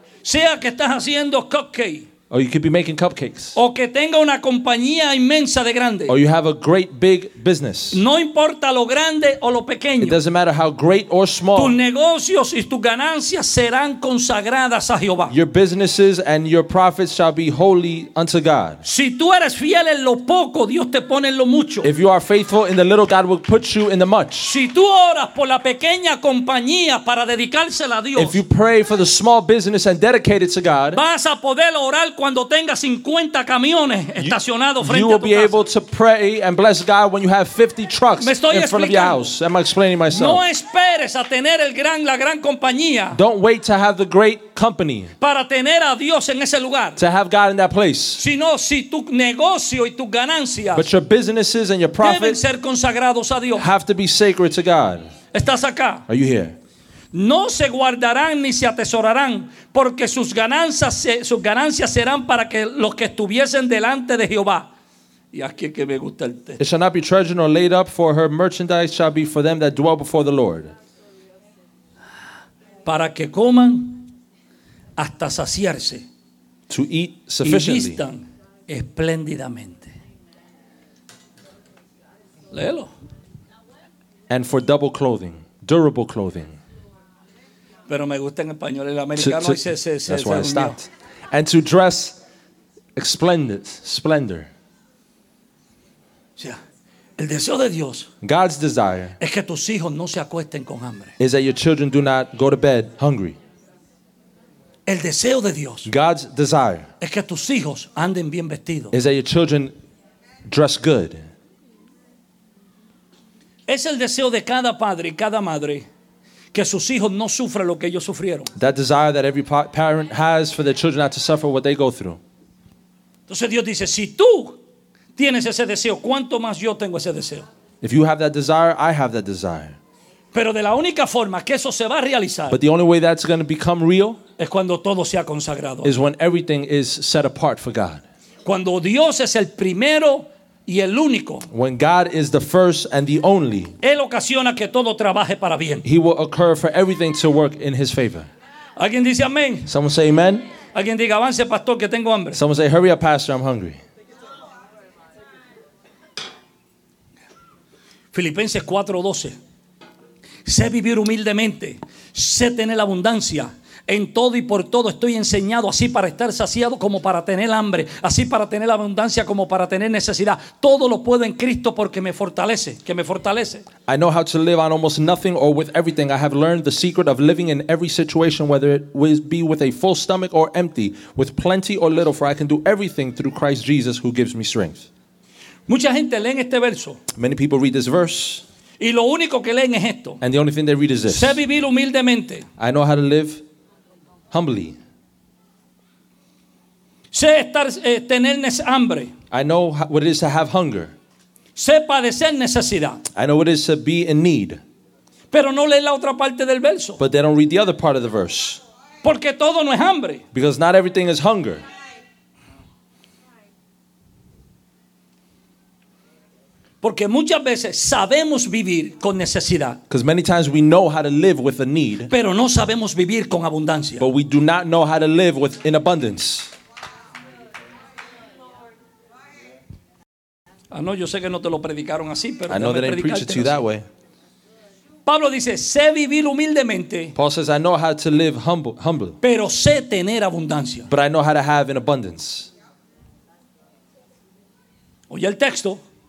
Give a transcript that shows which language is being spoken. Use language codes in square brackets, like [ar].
[es] Sea que estás haciendo cupcake. [en] Or you could be making cupcakes. [es] O que tenga una compañía inmensa de grande. [en] Or you have a great big business. [es] No importa lo grande o lo pequeño. [en] It doesn't matter how great or small. [es] Tus negocios y tus ganancias serán consagradas a Jehová. [en] Your businesses and your profits shall be holy unto God. [es] Si tú eres fiel en lo poco, Dios te pone en lo mucho. [en] If you are faithful in the little, God will put you in the much. [es] Si tú oras por la pequeña compañía para dedicársela a Dios. [en] If you pray for the small business and dedicate it to God. [es] Vas a poder orar cuando tenga 50 camiones estacionados frente a tu casa. [en] You will be able to pray and bless God when you have 50 trucks in [es] explicando. [en] Front of your house. Am I explaining myself? [es] No esperes a tener la gran compañía. [en] Don't wait to have the great company. [es] Para tener a Dios en ese lugar. [en] To have God in that place. [es] Sino si tu negocio y tus ganancias. [en] But your businesses and your profits [es] deben ser consagrados a Dios. [en] Have to be sacred to God. [es] ¿Estás acá? [en] Are you here? [es] No se guardarán ni se atesorarán, porque sus ganancias serán para que los que estuviesen delante de Jehová. Y aquí es que me gusta el texto. [en] It shall not be treasured nor laid up, for her merchandise shall be for them that dwell before the Lord. [es] Para que coman hasta saciarse. [en] To eat sufficiently. [es] Y vistan espléndidamente. Léelo. [en] And for double clothing, durable clothing. [es] Pero me gusta en español el americano y [en] that's why I stopped. And to dress splendor. [es] O sea, el deseo de Dios. [en] God's desire. [es] Es que tus hijos no se acuesten con hambre. [en] Is that your children do not go to bed hungry. [es] El deseo de Dios. [en] God's desire. [es] Es que tus hijos anden bien vestidos. [en] Is that your children dress good. [es] Es el deseo de cada padre y cada madre. Que sus hijos no sufran lo que ellos sufrieron. [en] That desire that every parent has for their children not to suffer what they go through. [es] Entonces Dios dice, si tú tienes ese deseo, ¿cuánto más yo tengo ese deseo? [en] If you have that desire, I have that desire. [es] Pero de la única forma que eso se va a realizar. [en] But the only way that's going to become real. [es] Es cuando todo sea consagrado. [en] Is when everything is set apart for God. [es] Cuando Dios es el primero y el único. [en] When God is the first and the only. [es] Él ocasiona que todo trabaje para bien. [en] He will occur for everything to work in his favor. [es] ¿Alguien dice amén? [en] Someone say amen. [es] ¿Alguien diga avance pastor que tengo hambre? [en] Someone say hurry up pastor I'm hungry. [es] Filipenses 4:12. Sé vivir humildemente, sé tener abundancia. En todo y por todo estoy enseñado, así para estar saciado como para tener hambre, así para tener abundancia como para tener necesidad. Todo lo puedo en Cristo porque me fortalece, que me fortalece. [en] I know how to live on almost nothing or with everything. I have learned the secret of living in every situation, whether it be with a full stomach or empty, with plenty or little, for I can do everything through Christ Jesus who gives me strength. [es] Mucha gente lee este verso. [en] Many people read this verse. [es] Y lo único que leen es esto. [en] And the only thing they read is this. [es] Sé vivir humildemente. [en] I know how to live humbly. [es] Sé estar tener hambre. [en] I know what it is to have hunger. [es] Sé padecer necesidad. [en] I know what it is to be in need. [es] Pero no lee la otra parte del verso. [en] But they don't read the other part of the verse. [es] Porque todo no es hambre. [en] Because not everything is hunger. [es] Porque muchas veces sabemos vivir con necesidad. [en] Because many times we know how to live with a need. [es] Pero no sabemos vivir con abundancia. [en] But we do not know how to live with in abundance. [es] Ah, no, yo sé que no te lo predicaron así, pero [en] I know they didn't preach it to you that way. [es] Pablo dice, sé vivir humildemente. [en] Paul says, I know how to live humble. [es] Pero sé tener abundancia. [en] But I know how to have in abundance. [es] Oye el texto.